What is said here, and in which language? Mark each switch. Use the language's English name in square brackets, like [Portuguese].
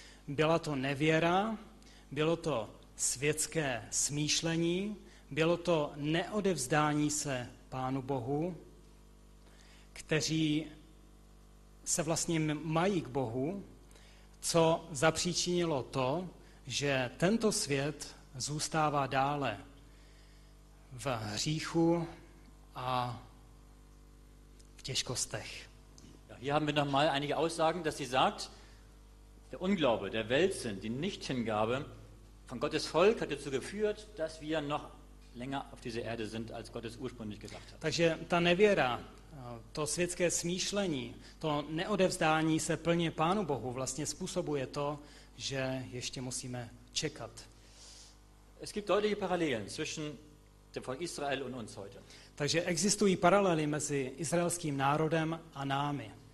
[Czech] Byla to nevěra, bylo to světské smýšlení, bylo to neodevzdání se Pánu Bohu, kteří se vlastně mají k Bohu, co zapříčinilo to, že tento svět zůstává dále v hříchu a v těžkostech. [German] Ja, hier haben wir noch mal einige Aussagen, dass sie sagt, der Unglaube, der Weltsinn, die Nichthingabe von Gottes Volk hat dazu geführt, dass wir noch länger auf dieser Erde sind, als Gott es ursprünglich gedacht hat. [Czech] Takže ta nevěra, to světské smýšlení, to neodevzdání se plně Pánu Bohu vlastně způsobuje to, že ještě musíme čekat. [German] Es gibt deutliche Parallelen zwischen dem Volk Israel und uns heute. [Czech] Takže existují paralely mezi izraelským národem a námi.